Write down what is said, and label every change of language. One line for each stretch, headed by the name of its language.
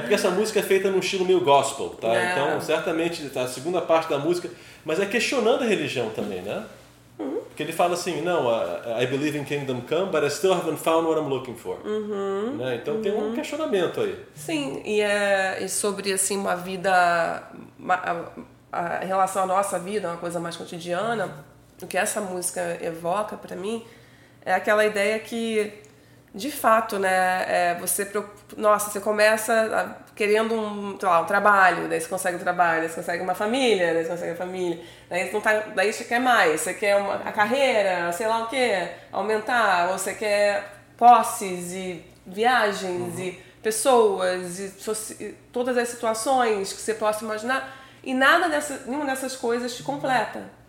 Portuguese: porque essa música é feita num estilo meio gospel, tá? É. Então, certamente, tá, a segunda parte da música... Mas é questionando a religião também, né? Uhum. Porque ele fala assim, não,
English: I believe in kingdom come, but I still haven't found what I'm looking for.
Portuguese: Uhum. Né? Então tem um questionamento aí. Sim, e sobre assim, uma vida... A relação à nossa vida, uma coisa mais cotidiana... O que essa música evoca para mim é aquela ideia que, de fato, né, você começa querendo um trabalho, daí você consegue um trabalho, daí você consegue uma família, daí você consegue a família, daí você, não tá, daí você quer mais, você quer a carreira, sei lá o quê, aumentar, ou você quer posses e viagens e pessoas e todas as situações que você possa imaginar, e nenhuma dessas coisas te completa.